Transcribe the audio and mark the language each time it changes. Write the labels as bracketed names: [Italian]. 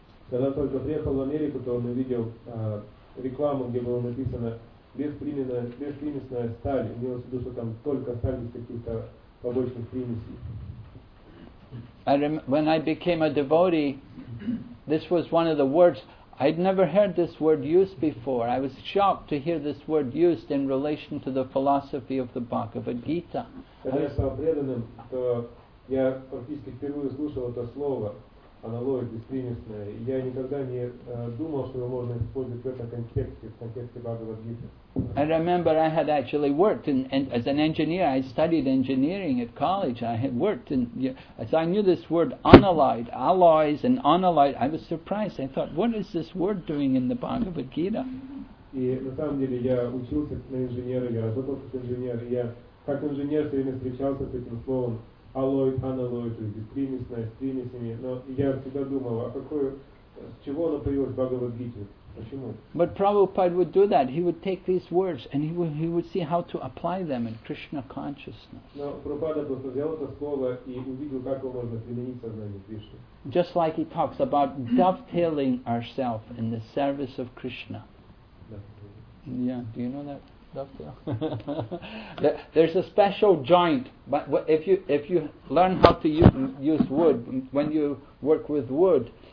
[Russian] Когда только приехал в Америку, то он увидел рекламу, где было написано беспримесная сталь. Имелось в виду, что там только сталь без каких-то побочных примесей. [English] When I became a devotee, this was one of the words. I'd never heard this word used before. I was shocked to hear this word used in relation to the philosophy of the Bhagavad Gita. [Russian] Когда я стал преданным, то я практически впервые слышал это слово, аналогия беспримесная. Я никогда не думал, что его можно использовать в этом контексте, в контексте Бхагавад Гита. [English] I remember I had actually worked in as an engineer. I studied engineering at college. I had worked in, so I knew this word unalloyed, alloys and unalloyed. I was surprised. I thought, what is this word doing in the Bhagavad Gita? [Russian] И на самом деле я учился на инженера, я работал как инженер, и я как инженер все время встречался с этим словом [English] alloyed, unalloyed, [Russian] то есть беспримесная, с примесями. Но я всегда думал, а какое, с чего оно появилось в Бхагавад Гите? [English] But Prabhupada would do that. He would take these words and he would see how to apply them in Krishna consciousness. [Russian] Но Прабхупада просто взял это слово и увидел, как его можно применить в сознании Кришны. [English] Just like he talks about dovetailing ourselves in the service of Krishna. Yeah, do you know that dovetail? There's a special joint, but if you learn how to use wood, when you work with wood.